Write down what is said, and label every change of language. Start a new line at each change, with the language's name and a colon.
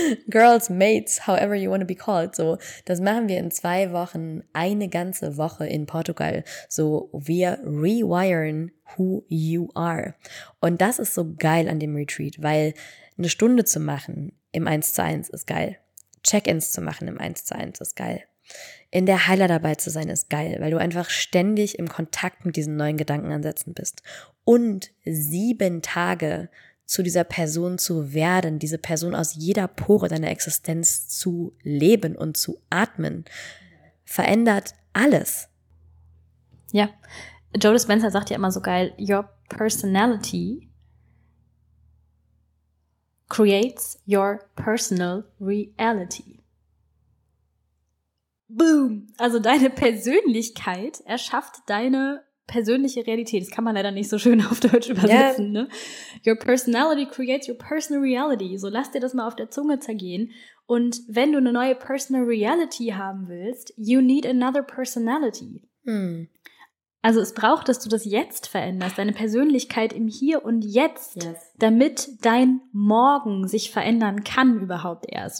English: Girls, mates, however you want to be called.
German: So, das machen wir in 2 Wochen, eine ganze Woche in Portugal. So, wir rewiren
English: who you are.
German: Und das ist so geil an dem Retreat, weil eine Stunde zu machen im 1:1 ist geil. Check-ins zu machen im 1:1 ist geil. In der Heiler dabei zu sein ist geil, weil du einfach ständig im Kontakt mit diesen neuen Gedankenansätzen bist. Und 7 Tage zu dieser Person zu werden, diese Person aus jeder Pore deiner Existenz zu leben und zu atmen, verändert alles. Ja, Joe Dispenza sagt ja immer so geil,
English: your personality creates your personal reality. Boom!
German: Also deine Persönlichkeit erschafft deine persönliche Realität. Das kann man leider nicht so schön auf Deutsch übersetzen.
English: Yeah.
German: Ne?
English: Your personality creates your personal reality.
German: So lass dir das mal auf der Zunge zergehen. Und wenn du eine neue personal reality haben willst,
English: you need another personality. Hm.
German: Also es braucht, dass du das jetzt veränderst, deine Persönlichkeit im Hier und Jetzt, damit dein Morgen sich verändern kann überhaupt erst.